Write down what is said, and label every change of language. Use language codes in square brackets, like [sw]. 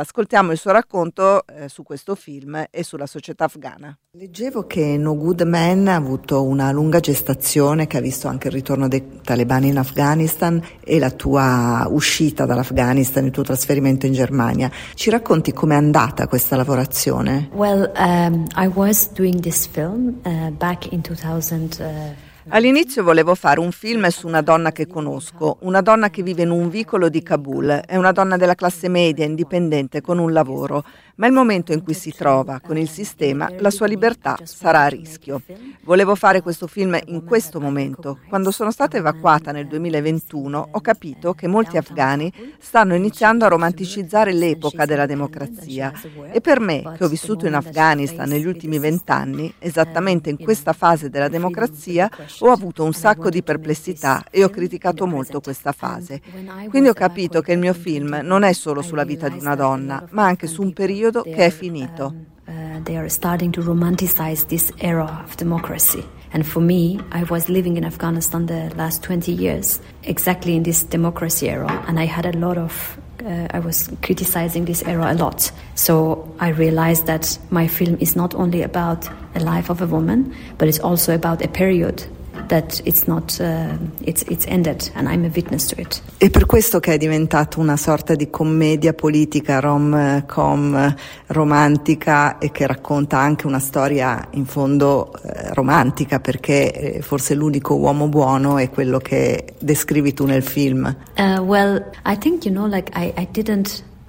[it] Ascoltiamo il suo racconto su questo film e sulla società afghana. Leggevo che No Good Man ha avuto una lunga gestazione che ha visto anche il ritorno dei talebani in Afghanistan e la tua uscita dall'Afghanistan, il tuo trasferimento in Germania. Ci racconti com'è andata questa lavorazione? [en] Well, I was doing this film back in 2000. [it] All'inizio volevo fare un film su una donna che conosco, una donna che vive in un vicolo di Kabul, è una donna della classe media, indipendente, con un lavoro, ma il momento in cui si trova con il sistema, la sua libertà sarà a rischio. Volevo fare questo film in questo momento. Quando sono stata evacuata nel 2021, ho capito che molti afghani stanno iniziando a romanticizzare l'epoca della democrazia. E per me, che ho vissuto in Afghanistan negli ultimi 20 anni, esattamente in questa fase della democrazia, ho avuto un sacco di perplessità e ho criticato molto questa fase. Quindi ho capito che il mio film non è solo sulla vita di una donna, ma anche su un periodo che è finito. [en] They are starting to romanticize this era of democracy. And for me, I was living in Afghanistan the last 20 years, exactly in this democracy era, and I had a lot of I was criticizing this era a lot. So I realized that my film is not only about a life of a woman, but it's also about a period that it's not it's ended and I'm a witness to it. [it] E per questo che è diventato una sorta di commedia politica, rom-com romantica, e che racconta anche una storia in fondo romantica, perché forse l'unico uomo buono è quello che descrivi tu nel film. [en] Well, I think you know like I didn't